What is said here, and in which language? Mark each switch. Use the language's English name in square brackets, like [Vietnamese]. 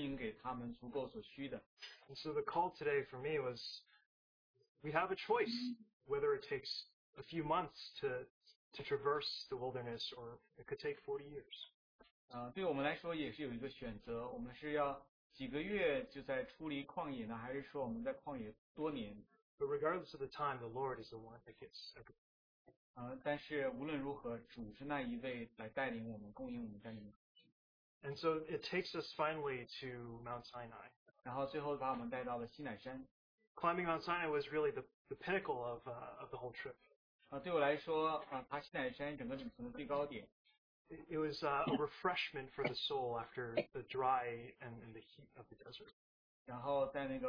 [Chinese] 在以色列人的旷野漂流的时候，是主供应给他们足够所需的。 [English] And so the call today for me was, we have a choice whether it takes a few months to traverse the wilderness or it could take 40 years. [Chinese] 对我们来说也是有一个选择，我们是要几个月就在出离旷野呢，还是说我们在旷野多年？ [English] But regardless of the time, the Lord is the one that gets everything. [Chinese] 但是无论如何，主是那一位来带领我们、供应我们在里面。 [English] And so it takes us finally to Mount Sinai. [Chinese] 然后最后把我们带到了西乃山。 [English] Climbing Mount Sinai was really the pinnacle of the whole trip. [Chinese] 对我来说，爬西乃山整个旅程的最高点。 [English] It was a refreshment for the soul after the dry and the heat of the desert.